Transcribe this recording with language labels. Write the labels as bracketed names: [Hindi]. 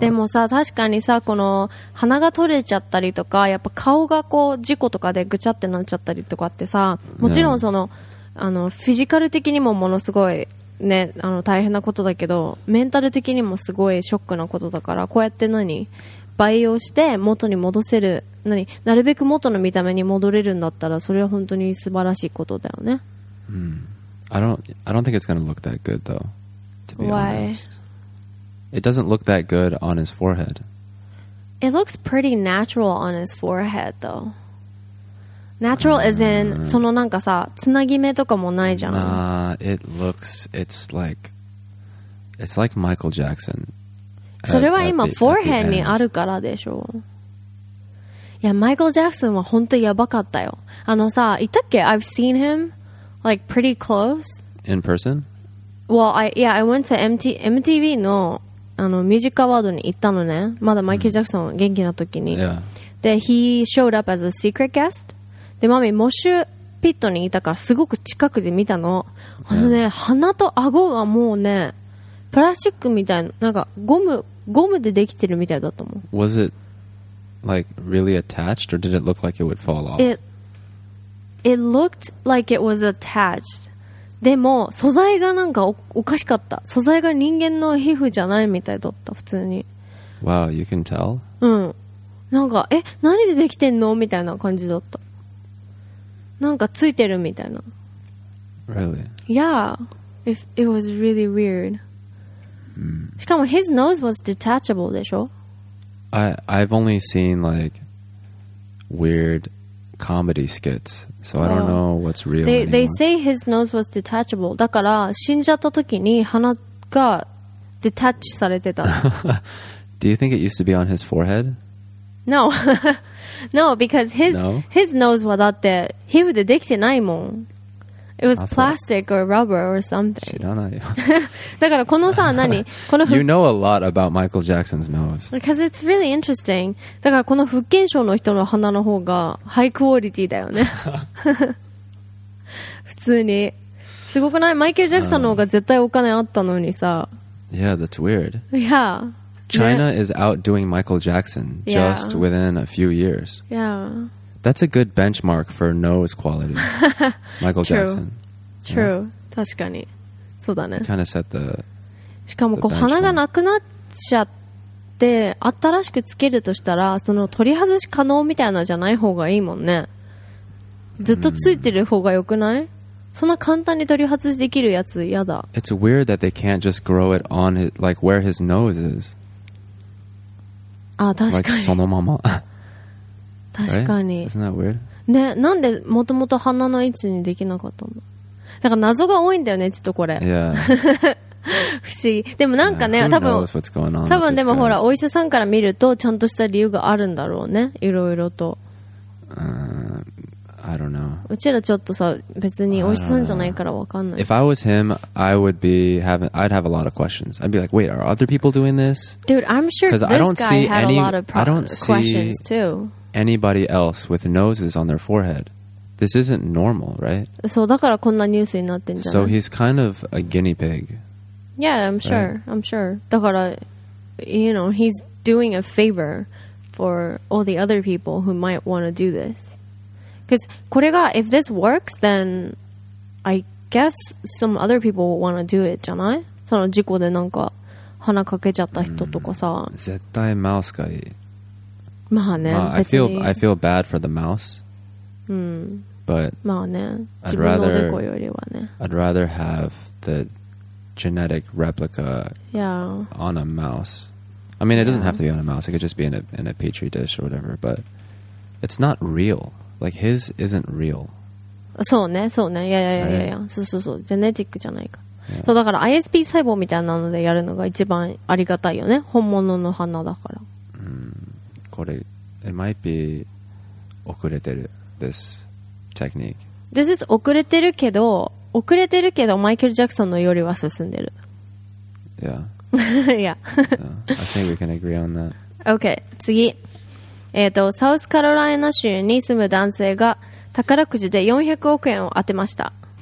[Japanese] でもさ、確かにさ、この鼻が取れちゃったりとか、やっぱ顔がこう事故とかでぐちゃってなっちゃったりとかってさ、もちろんその、 [English] yeah. [Japanese] あのフィジカル的にもものすごいね、あの大変なことだけど、メンタル的にもすごいショックなことだから、こうやって何培養して元に戻せる、何なるべく元の見た目に戻れるんだったら、それは本当に素晴らしいことだよね。うん、 [English] I don't think it's going to look that good, though, to be Why? honest. It doesn't look that good on his forehead. It looks pretty natural on his forehead, though. Natural as in, [Japanese] そのなんかさ、つなぎ目とかもないじゃん。 [English] It's like Michael Jackson. [Japanese] それは今、forehead にあるからでしょ。いや、Michael Jackson は本当やばかったよ。あのさ、いたっけ？ [English] I've seen him. Like pretty close in person. Well, I went to [Japanese] MTV のあのミュージックアワードに行ったのね。まだマイケル・ジャクソン元気な時に。 [English] Yeah. [Japanese] で、 [English] he showed up as a secret guest. [Japanese] で、マミモッシュピットにいたからすごく近くで見たの。あのね、 [English] yeah. [Japanese] 鼻と顎がもうね、プラスチックみたいな、なんかゴムでできてるみたいだったもん。 [English] Was it like really attached, or did it look like it would fall off? It looked like it was attached. [Japanese] でも素材がなんか おかしかった。素材が人間の皮膚じゃないみたいだった、普通に。 [English] Wow, you can tell? [Japanese] うん。なんか、え、何でできてんのみたいな感じだった。なんかついてるみたいな。 [English] Really? Yeah. It was really weird.、 Mm. [Japanese] しかも [English] his nose was detachable [Japanese] でしょ？ [English] I've only seen like weird... comedy skits, so I don't know what's real. They say his nose was detachable. [Japanese] だから死んじゃった時に鼻が detach されてた。 [English] Do you think it used to be on his forehead? No. No, because his nose [Japanese] はだって皮膚でできてないもん。 [English] It was plastic or rubber or something. [Japanese] 知らないよ。だからこのさ、何？この [English] You know a lot about Michael Jackson's nose. Because it's really interesting. [Japanese] だからこの福建省の人の鼻の方がハイクオリティだよね。普通に。すごくない？マイケル・ジャクソンの方が絶対お金あったのにさ。 [English] Yeah, that's weird. Yeah. China、 [Japanese] ね、 [English] is outdoing Michael Jackson just、yeah. within a few years. Yeah. That's a good benchmark for nose quality. Michael True. Jackson. True. Yeah. [Japanese] 確かに。そうだね。 [English] Kind of set the [Japanese] しかもこう鼻がなくなっちゃって新しくつけるとしたら、その取り外し可能みたいなじゃない方がいいもんね。ずっとついてる方がよくない？そんな簡単に取り外しできるやつ嫌だ。 [English] It's weird that they can't just grow it on his, like where his nose is. [Japanese] あ、確かに。 [English] Like [Japanese] そのまま。確かに。 [English] Right? Isn't that weird? [Japanese] ね、なんでもともと鼻の位置にできなかったの？ だから謎が多いんだよね、ちょっとこれ。 [English] Yeah. [Japanese] 不思議。でもなんかね、 [English] yeah, [Japanese] 多分でもほらお医者さんから見るとちゃんとした理由があるんだろうね、いろいろと。 [English] I don't know. [Japanese] うちらちょっとさ、別にお医者さんじゃないからわかんない。 [English] If I was him, I would be having, I'd have a lot of questions. I'd be like, wait, are other people doing this? Dude, I'm sure this guy had any, a lot of questions too. Anybody else with noses on their forehead. This isn't normal, right? [Japanese] そう、だからこんなニュースになってんじゃない。 [English] So he's kind of a guinea pig. Yeah, I'm sure. Right? I'm sure. [Japanese] だから、 [English] you know, he's doing a favor for all the other people who might want to do this. Because [Japanese] これが [English] if this works, then I guess some other people will want to do it, [Japanese] じゃない？その事故でなんか鼻かけちゃった人とかさ。絶対マウスがいい。まあね。まあ、 [English] I feel bad for the mouse. But [Japanese] まあね。自分のでこよりはね。 [English] I'd rather have the genetic replica yeah. on a mouse. I mean, it doesn't yeah. have to be on a mouse. It could just be in a petri dish or whatever. But it's not real. Like his isn't real. [Japanese] そうね、そうね、いやいやいやいや、 [English] right. [Japanese] そうそうそう、ジェネティックじゃないか。 [English] Yeah. [Japanese] そうだから ISP 細胞みたいなのでやるのが一番ありがたいよね、本物の鼻だから。これ、 [English] it might be [Japanese] 遅れてる [English] this technique. [Japanese] This is 遅れてるけど、遅れてるけどマイケル・ジャクソンのよりは進んでる。 [English] Yeah. yeah. yeah. I think we can agree on that. Okay, [Japanese] 次。サウスカロライナ州に住む男性が宝くじで400億円を当てました。